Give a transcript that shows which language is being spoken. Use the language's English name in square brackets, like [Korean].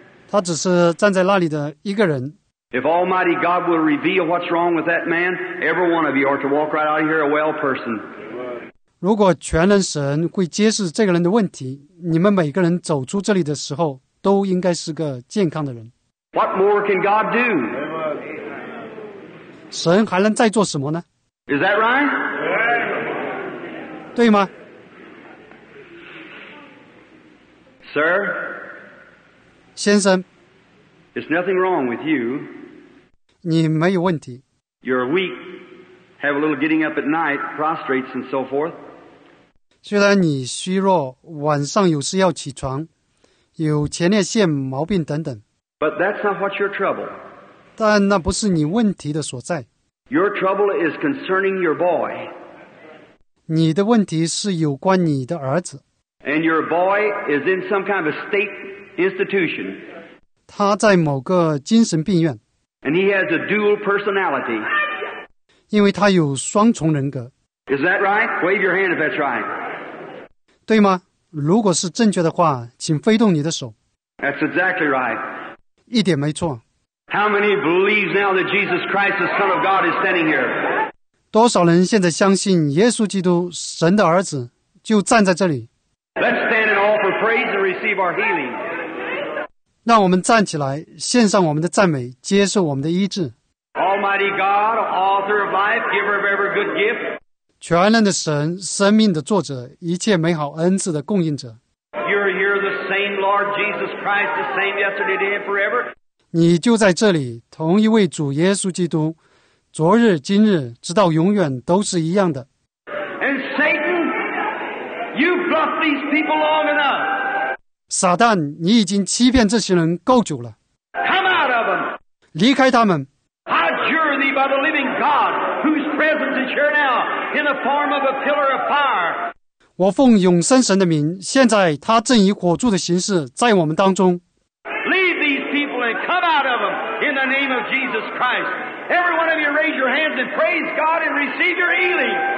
[Chinese] 他只是站在那里的一个人。 [English] If Almighty God will reveal what's wrong with that man, every one of you are to walk right out of here a well person. [Chinese] 如果全能神会揭示这个人的问题，你们每个人走出这里的时候，都应该是个健康的人。 [English] What more can God do? [Chinese] 神还能再做什么呢？ [English] Is that right? [Chinese] 对吗？ [English] Sir? [Chinese] 先生。 [English] There's nothing wrong with you. [Chinese] 你没有问题。 [English] You're weak. Have a little getting up at night, prostrates and so forth. [Chinese] 虽然你虚弱，晚上有时要起床，有前列腺毛病等等。 [English] But that's not what's your trouble. [Chinese] 但那不是你问题的所在。 [English] Your trouble is concerning your boy. [Chinese] 你的问题是有关你的儿子。 [English] And your boy is in some kind of a state institution. [Chinese] 他在某个精神病院。 [English] And he has a dual personality. [Chinese] 因为他有双重人格。 [English] Is that right? Wave your hand if that's right. [Chinese] 对吗？如果是正确的话，请挥动你的手。 [English] That's exactly right. [Chinese] 一点没错。 [English] How many believe now that Jesus Christ, the Son of God, is standing here? [Chinese] 多少人现在相信耶稣基督，神的儿子，就站在这里。 [English] Let's stand and offer praise and receive our healing. [Chinese] 让我们站起来，献上我们的赞美，接受我们的医治。 [English] Almighty God, author of life, giver of every good gift. [Chinese] 全能的神，生命的作者，一切美好恩赐的供应者。 [English] You're here, the same Lord Jesus Christ, the same yesterday, today, and forever. [Chinese] 你就在这里，同一位主耶稣基督，昨日、今日，直到永远都是一样的。 [English] And Satan, you've bluffed these people long enough. [Chinese] 撒旦，你已经欺骗这些人够久了。 [English] Come out of them. [Chinese] 离开他们。 [English] I adjure thee by the living God, whose presence is here now in the form of a pillar of fire. [Chinese] 我奉永生神的名，现在他正以火柱的形式在我们当中。 [English] Leave these people and come out of them in the name of Jesus Christ. Every one of you raise your hands and praise God and receive your healing.